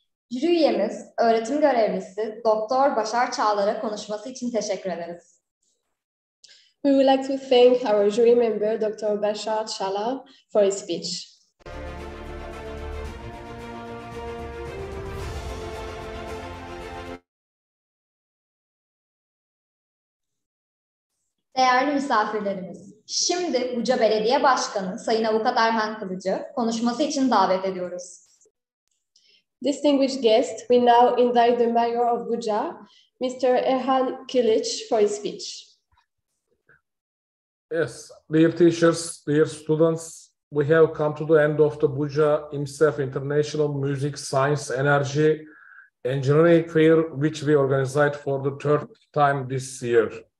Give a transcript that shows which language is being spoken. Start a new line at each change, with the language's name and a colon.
Turkish: Jüri üyemiz, öğretim görevlisi Dr. Başar Çağlar'a konuşması için teşekkür ederiz.
English: We would like to thank our jury member Dr. Başar Çağlar for his speech.
Turkish: Değerli misafirlerimiz, şimdi Buca Belediye Başkanı Sayın Avukat Erhan Kılıcı konuşması için davet ediyoruz.
English: Distinguished guest, we now invite the mayor of Buca, Mr. Erhan Kılıç, for his speech. Yes, dear teachers, dear students, we have come to the end of the Buca IMSEF International Music, Science, Energy, Engineering Fair, which we organized for the third time this year.